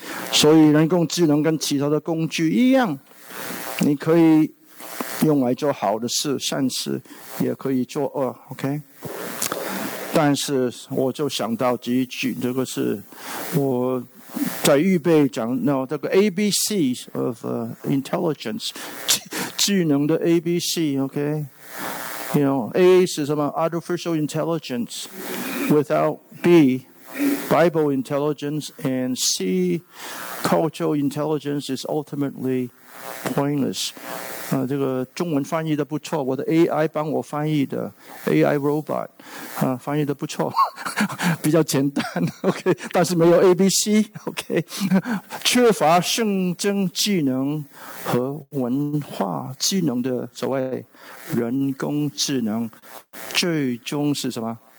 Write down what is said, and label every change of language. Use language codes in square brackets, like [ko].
[zh] 所以人工智能跟其他的工具一样，你可以用来做好的事善事，也可以做恶。 OK， 但是我就想到这一句，这个是我在预备讲那这个 ABC of intelligence， 智能的 ABC。 [en] OK， you know A [zh] 是什么？ [en] Artificial intelligence without B Bible intelligence and C cultural intelligence is ultimately pointless。 [zh] 这个中文翻译的不错，我的 AI 帮我翻译的 AI robot，翻译的不错，比较简单 OK， 但是没有 ABC OK， 缺乏圣经技能和文化技能的所谓人工智能，最终是什么？